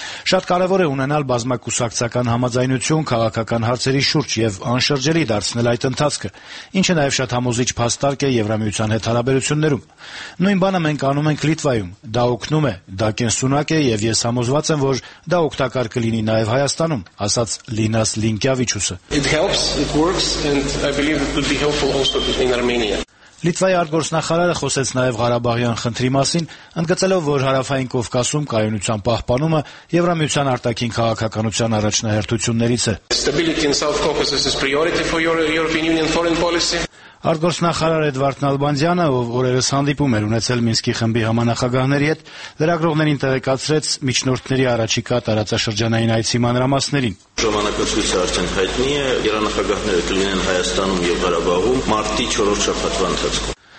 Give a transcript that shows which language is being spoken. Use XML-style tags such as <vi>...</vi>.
<hy>Շատ կարևոր է ունենալ բազմակուսակցական համաձայնություն քաղաքական հարցերի շուրջ եւ անշրջելի դարձնել այդ ընթացքը, ինչը նաեւ շատ համոզիչ փաստարկ է Եվրամիության հետ հարաբերություններում։ Նույն բանը մենք անում ենք Լիտվայում, դա օգնում է, դա կենսունակ է եւ ես համոզված եմ, որ դա օգտակար կլինի նաեւ Հայաստանում, ասաց Լինա Սլինկևիչուսը։</hy> <en>It helps, it works and I believe it would be helpful also in Armenia.</en> <hy>Լիտվայի արտգործնախարարը խոսեց նաև Ղարաբաղյան խնդրի մասին, ընդգծելով, որ Հարավային Կովկասում կայունության պահպանումը Եվրամիության արտաքին քաղաքականության առաջնահերթություններից է։</hy> <en>Stability in South Caucasus is priority for your European Union foreign policy.</en> <hy>Արտգործնախարար Էդվարդ Նալբանդյանը, ով օրերս հանդիպում էր ունեցել Մինսկի խմբի համանախագահների հետ, լրագրողներին տեղեկացրեց միջնորդների առաջիկա տարածաշրջանային այցի մանրամասներին։ Ժամանակացույցը արդեն հայտնի է, երանախագահները կլինեն Հայաստանում եւ Ղարաբաղում մարտի 4-րդ շաբաթվա ընթացքում։</hy>